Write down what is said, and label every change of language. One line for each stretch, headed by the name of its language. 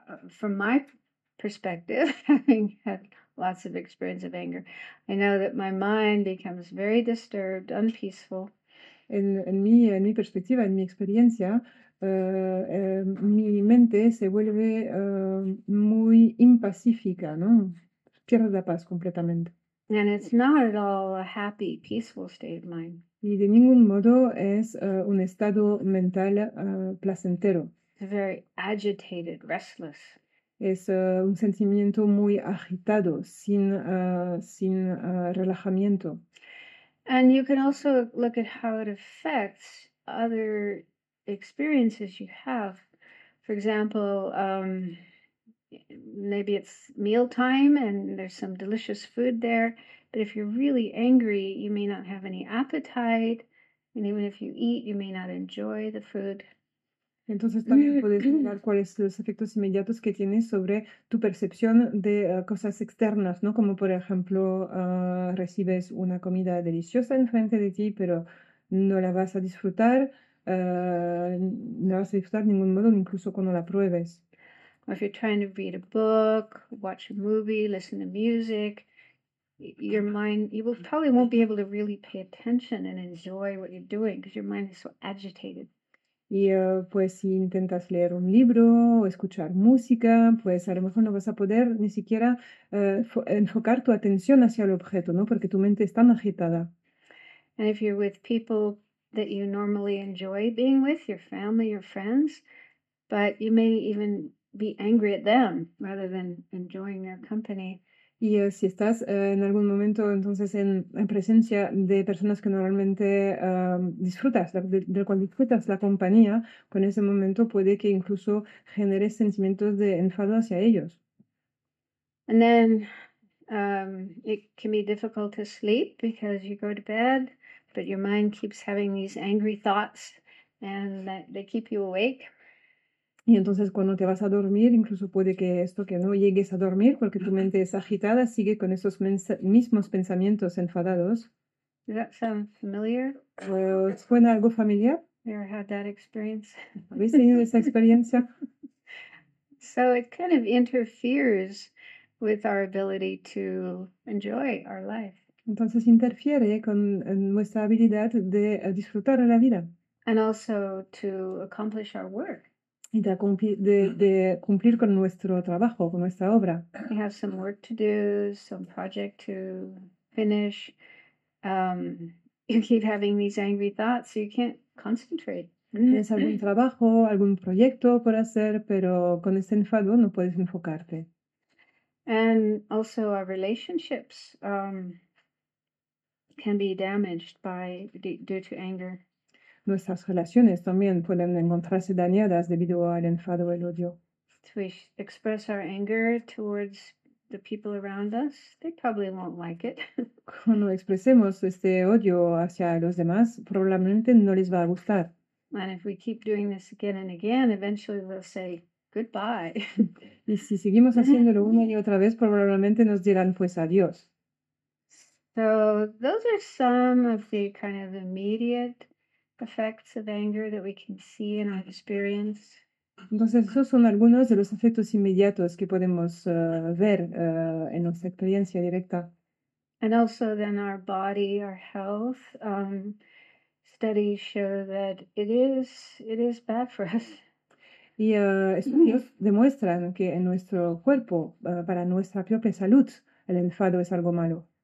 English: From my perspective, having had lots of experience of anger, I know that my mind becomes very disturbed, unpeaceful.
Spanish: En mi perspectiva, en mi experiencia, mi mente se vuelve muy impacífica, ¿no? Pierde la paz completamente.
English: And it's not at all a happy, peaceful state of mind.
Spanish: Y de ningún modo es un estado mental placentero.
English: It's very agitated, restless.
Spanish: Es un sentimiento muy agitado, sin relajamiento.
English: And you can also look at how it affects other experiences you have. For example, maybe it's meal time and there's some delicious food there, but if you're really angry, you may not have any appetite, and even if you eat, you may not enjoy the food.
Spanish: Entonces también puedes mirar cuáles son los efectos inmediatos que tienes sobre tu percepción de cosas externas, ¿no? Como por ejemplo, recibes una comida deliciosa enfrente de ti, pero no la vas a disfrutar, no vas a disfrutar de ningún modo, incluso cuando la pruebes.
English: Or if you're trying to read a book, watch a movie, listen to music, your mind, you will probably won't be able to really pay attention and enjoy what you're doing because your mind is so agitated.
Spanish: Y pues si intentas leer un libro o escuchar música, pues a lo mejor no vas a poder ni siquiera enfocar tu atención hacia el objeto, ¿no? Porque tu mente es tan agitada.
English: And if you're with people that you normally enjoy being with, your family, your friends, but you may even be angry at them rather than enjoying their company.
Spanish: Y si estás en algún momento entonces en presencia de personas que normalmente disfrutas, del cual disfrutas la compañía, pues en ese momento puede que incluso generes sentimientos de enfado hacia ellos.
English: And then it can be difficult to sleep because you go to bed, but your mind keeps having these angry thoughts and they keep you awake.
Spanish: Y entonces cuando te vas a dormir, incluso puede que esto que no llegues a dormir porque tu mente es agitada, sigue con esos mismos pensamientos enfadados.
English: That sound familiar?
Spanish: Well, ¿suena algo familiar?
English: You ever had that experience?
Spanish: ¿Habéis tenido esa experiencia?
English: So it kind of interferes with our ability to enjoy our life.
Spanish: Entonces interfiere con nuestra habilidad de disfrutar la vida.
English: And also to accomplish our work.
Spanish: Y de cumplir con nuestro trabajo, con nuestra obra.
English: We have some work to do, some project to finish. You keep having these angry thoughts, so you can't concentrate.
Spanish: Tienes algún trabajo, algún proyecto por hacer, pero con este enfado no puedes enfocarte.
English: And also our relationships can be damaged by due to anger.
Spanish: Nuestras relaciones también pueden encontrarse dañadas debido al enfado o el odio.
English: If we express our anger towards the people around us, they probably won't like it.
Spanish: Cuando expresemos este odio hacia los demás, probablemente no les va a gustar.
English: And if we keep doing this again and again, eventually they'll say goodbye.
Spanish: Y si seguimos haciéndolo una y otra vez, probablemente nos dirán pues adiós.
English: So those are some of the kind of immediate effects of anger that we can see in our experience.
Spanish: Entonces, esos son algunos de los efectos inmediatos que podemos ver en nuestra experiencia directa.
English: And also then our body, our health. Studies show that it is bad for us.
Spanish: Y estudios demuestran que en nuestro cuerpo, para nuestra propia salud, el enfado es algo malo,